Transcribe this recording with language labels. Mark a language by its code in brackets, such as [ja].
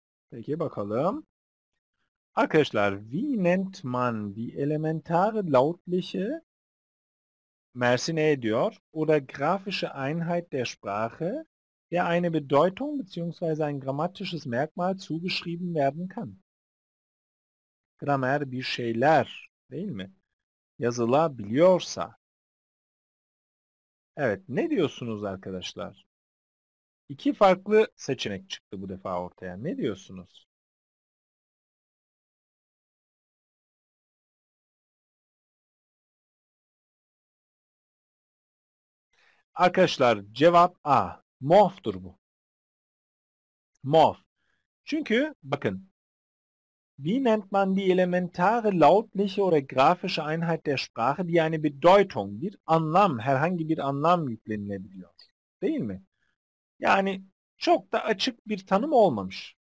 [tr] Peki bakalım. Arkadaşlar, [de] wie nennt man die elementare lautliche [tr] Mersin ne diyor? [de] Oder grafische Einheit der Sprache, der eine Bedeutung bzw. ein grammatisches Merkmal zugeschrieben werden kann. [tr] Gramer bir şeyler, değil mi? Yazılabiliyorsa. Evet, ne diyorsunuz arkadaşlar? İki farklı seçenek çıktı bu defa ortaya. Ne diyorsunuz? Arkadaşlar, cevap A. Morf'tur bu. Morf. Çünkü bakın. [de] Wie nennt man die elementare lautliche oder grafische Einheit der Sprache, die eine Bedeutung, [tr] bir anlam, herhangi bir anlam yüklenilebiliyor. Değil mi? Yani çok da açık bir tanım olmamış.